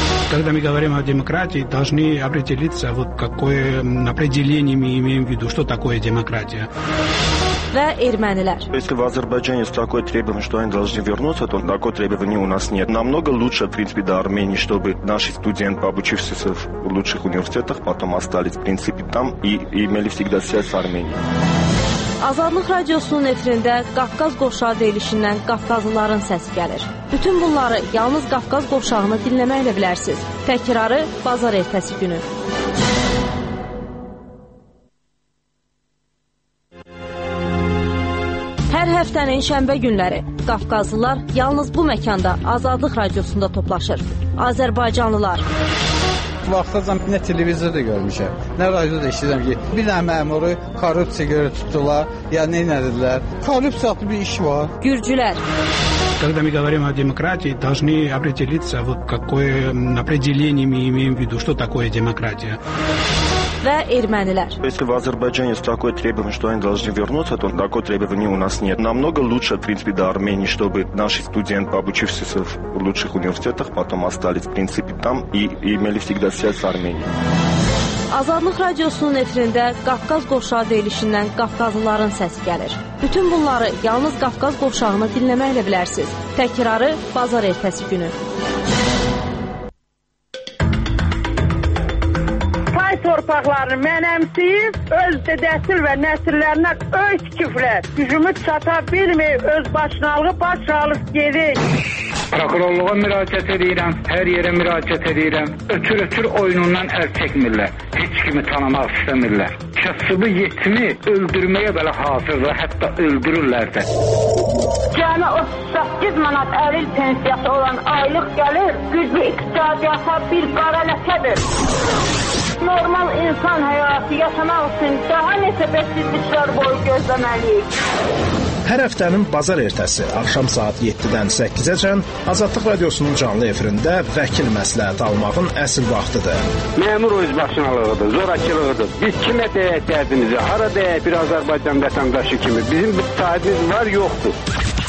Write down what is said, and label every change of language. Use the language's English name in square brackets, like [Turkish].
[Russian] Когда мы говорим о демократии, должны определиться, вот какое определение мы имеем в виду, что такое демократия. [Azerbaijani] Və ermənilər. [Russian] Если в Азербайджане есть такое требование, что они должны вернуться, то такого требования у нас нет. Намного лучше, в принципе, до Армении, чтобы наши студенты, обучившиеся в лучших университетах, потом остались, в принципе, там и имели всегда связь с Арменией. [Azerbaijani] Azadlıq radiosunun efirində Qafqaz qovşağı deyilişindən Qafqazlıların səsi gəlir. Bütün bunları yalnız Qafqaz qovşağını dinləməklə bilərsiniz. Təkrarı bazar ertəsi günü. Hər həftənin şənbə günləri Qafqazlılar yalnız bu məkanda Azadlıq radiosunda toplaşır. Azərbaycanlılar. Vaxtacam nə televizorda görmüşəm, nə radioda işləyirəm ki, bir dənə məmuru korrupsiya görə tutdular, ya nə edirlər? Korrupsiya adlı bir iş var. Gürcülər. [Russian] Когда мы говорим о демократии, должны определиться, вот какое определение мы имеем в виду, что такое демократия. [Azerbaijani] Və ermənilər. [Russian] Если в Азербайджане есть такое требование, что они должны вернуться, то такого требования у нас нет. Намного лучше, в принципе, до Армении, чтобы наши студенты, обучившиеся в лучших университетах, потом остались, в принципе, там и имели всегда связь с Арменией. [Azerbaijani] Azadlıq radiosunun efirində Qafqaz qovşağı deyilişindən Qafqazlıların səsi gəlir. Bütün bunları yalnız Qafqaz qovşağını dinləməklə bilərsiniz. Təkrarı bazar ertəsi günü. Tay torpaqlarını mənəmsəyib, öz dedəsil və nəsillərinə öz küflər. Gücümü çata bilməyib, öz başınalığı baş alıb gedir. Prokurorluğa müraciət edirəm, hər yerə müraciət edirəm. Ötür-ötür oyunundan əl çəkmirlər, heç kimi tanımaq istəmirlər. Kəsibi yetimi öldürməyə belə hazırlar, hətta öldürürlər də. Cəmi 38 manat əlil pensiyası olan aylıq gəlir, güclü iqtisadiyyata bir qara ləkədir. Normal insan həyatı yaşamaq üçün daha neçə bəsizliklər boyu gözləməliyik. Hər həftənin bazar ertəsi, axşam saat 7-dən 8-əcən Azadlıq Radiosunun canlı efirində vəkil məsləhəti almağın əsl vaxtıdır. Məmur öz başınalığıdır, zorakılığıdır. Biz kimə dəyək dərdimizə, hara dəyək bir Azərbaycan vətəndaşı kimi? Bizim bir sahibimiz var, yoxdur.